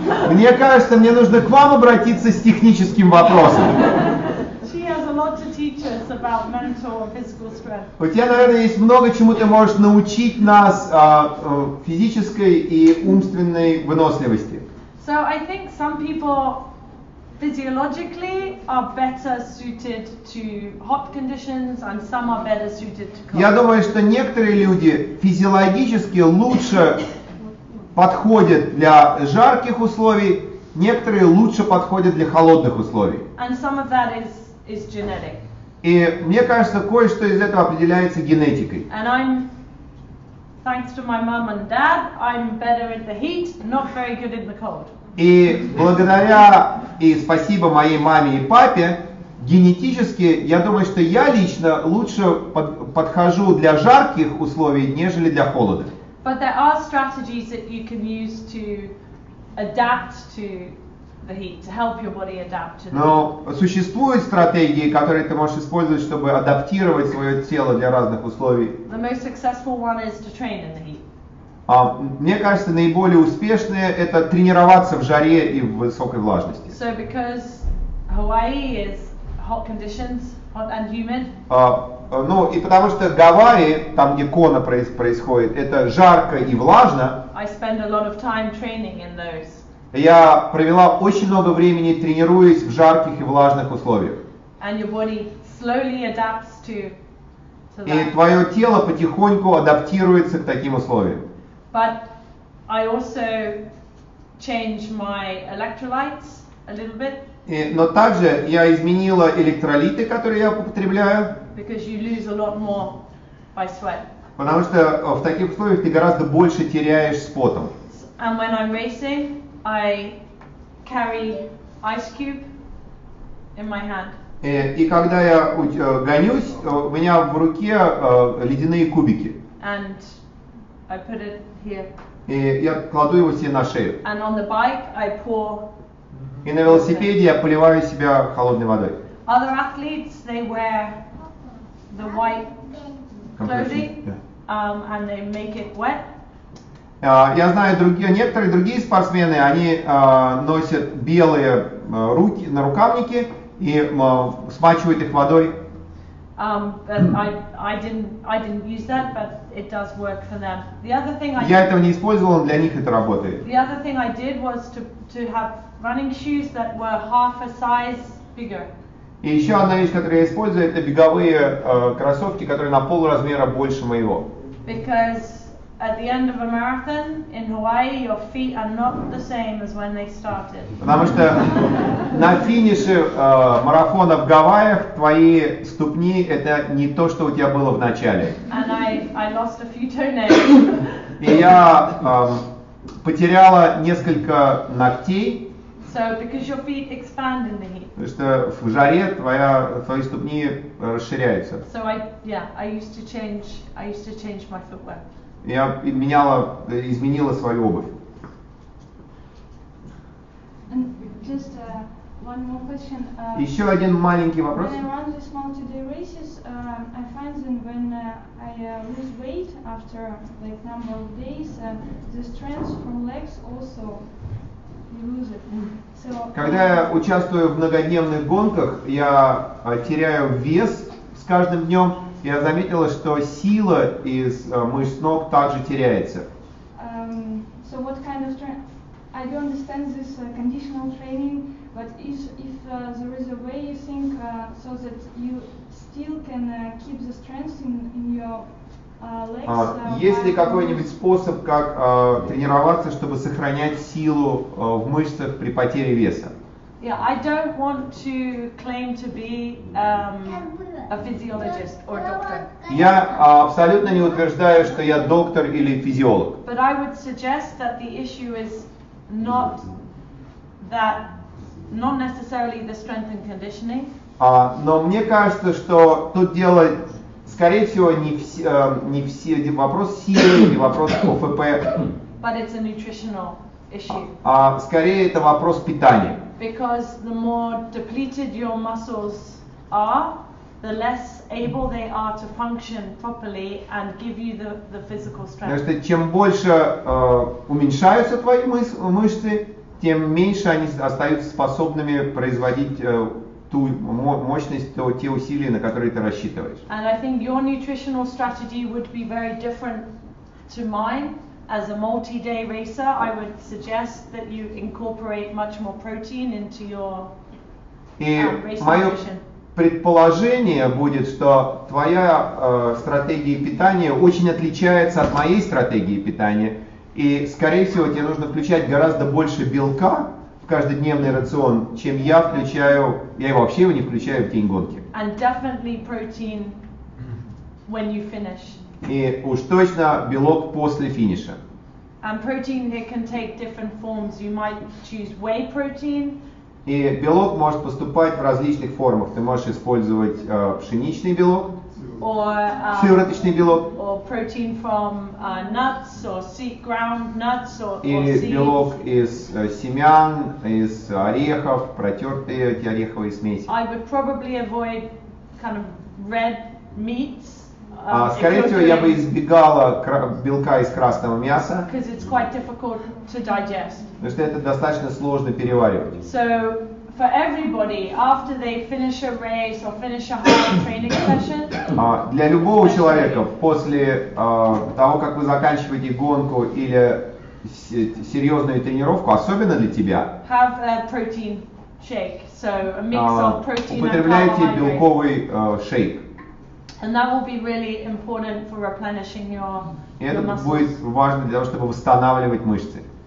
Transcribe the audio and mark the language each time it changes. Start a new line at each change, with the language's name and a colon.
Russian: Мне кажется, мне нужно к вам обратиться с техническим вопросом.
English: She has a lot to teach us about mental and physical strength.
Russian: У тебя, наверное, есть много чему ты можешь научить нас физической и умственной выносливости.
English: So I think some people physiologically are better suited to hot conditions and some are better suited to cold.
Russian: Я думаю, что некоторые люди физиологически лучше подходят для жарких условий, некоторые лучше подходят для холодных условий.
English: And some of that is genetic.
Russian: И мне кажется, кое-что из этого определяется генетикой.
English: And I'm, thanks to my mom and dad, I'm better in the heat, not very good in the cold.
Russian: И благодаря и спасибо моей маме и папе, генетически, я думаю, что я лично лучше подхожу для жарких условий, нежели для холодных.
English: But there are strategies that you can use to adapt to the heat, to help your body adapt to the heat.
Russian: Но существуют стратегии, которые ты можешь использовать, чтобы адаптировать свое тело для разных условий.
English: The most successful one is to train in the heat.
Russian: Мне кажется, наиболее успешное – это тренироваться в жаре и в высокой влажности.
English: So because Hawaii is hot conditions, hot and humid.
Russian: Ну и потому что Гавайи, там где Кона происходит, это жарко и влажно.
English: I spend a lot of time training in those.
Russian: Я провела очень много времени, тренируясь в жарких и влажных условиях.
English: And your body slowly adapts to that.
Russian: И твое тело потихоньку адаптируется к таким условиям.
English: But I also change my electrolytes a little bit.
Russian: И, но также я изменила электролиты, которые я употребляю.
English: Because you lose a lot more by sweat.
Russian: Потому что в таких условиях ты гораздо больше теряешь с потом.
English: And when I'm racing, I carry ice cube in my hand.
Russian: И когда я гонюсь, у меня в руке ледяные кубики.
English: And I put it here.
Russian: И я кладу его себе на шею.
English: And on the bike, I pour.
Russian: И на велосипеде я поливаю себя холодной водой.
English: Other athletes, they wear the white clothing, and they make it wet.
Russian: Я знаю, некоторые другие спортсмены, они носят белые руки на рукавнике и смачивают их водой.
English: I didn't use that, but it does work for them. The other thing I
Russian: я этого не использовал, но для них это работает.
English: The other thing I did was to have running shoes that were half a size bigger.
Russian: И еще одна вещь, которую я использую, это беговые кроссовки, которые на пол размера больше моего.
English: Because at the end of a marathon in Hawaii, your feet are not the same as when they started.
Russian: Потому что на финише марафона в Гавайях твои ступни – это не то, что у тебя было в начале.
English: And I lost a few toenails.
Russian: И я потеряла несколько ногтей.
English: So because your feet expand in the heat.
Russian: Потому что в жаре твои ступни расширяются.
English: So I used to change my footwear.
Russian: Я изменила свою обувь.
English: Just one more question.
Russian: Еще один маленький вопрос.
English: When I run these multi-day races, I find that when I lose weight after like number of days, the strength from legs also lose it. So,
Russian: когда я участвую в многодневных гонках, я теряю вес с каждым днем. Я заметила, что сила из мышц ног также теряется.
English: So what kind of I don't understand this conditional training, but if there is a way you think so that you still can keep the strength in your legs.
Russian: Есть ли какой-нибудь способ, как тренироваться, чтобы сохранять силу в мышцах при потере веса?
English: Yeah, I don't want to claim to be a physiologist or a doctor.
Russian: Я абсолютно не утверждаю, что я доктор или физиолог.
English: But I would suggest that the issue is not that, not necessarily the strength and conditioning.
Russian: Но мне кажется, что тут дело, скорее всего, не все вопрос силы или вопрос ОФП.
English: But it's a nutritional issue.
Russian: Скорее это вопрос питания.
English: Because the more depleted your muscles are, the less able they are to function properly and give you the physical strength.
Russian: Потому что чем больше уменьшаются твои мышцы, тем меньше они остаются способными производить ту мощность, те усилия, на которые ты рассчитываешь.
English: And I think your nutritional strategy would be very different to mine. As a multi-day racer, I would suggest that you incorporate much more protein into your racing nutrition.
Russian: Предположение будет, что твоя стратегия питания очень отличается от моей стратегии питания, и, скорее всего, тебе нужно включать гораздо больше белка в каждодневный рацион, чем я включаю. Я его вообще не включаю в день гонки.
English: and definitely protein when you finish.
Russian: И уж точно белок после финиша.
English: And protein, it can take different forms. You might choose whey protein.
Russian: И белок может поступать в различных формах. Ты можешь использовать пшеничный белок. Сывороточный белок.
English: Or protein from nuts or seed ground nuts or seeds.
Russian: Или белок из семян, из орехов, протертые эти ореховые смеси.
English: I would probably avoid kind of red meats.
Russian: Скорее всего, я бы избегала белка из красного мяса.
English: Because it's quite difficult to digest.
Russian: Потому что это достаточно сложно переваривать.
English: So for everybody, after they finish a race or finish a hard training session.
Russian: Для любого человека после того, как вы заканчиваете гонку или серьезную тренировку, особенно для тебя.
English: Have a protein shake, so a mix of protein and carbohydrates.
Russian: Употребляйте белковый шейк.
English: And that will be really important for replenishing your muscles.
Russian: И это будет важно для того, чтобы восстанавливать мышцы.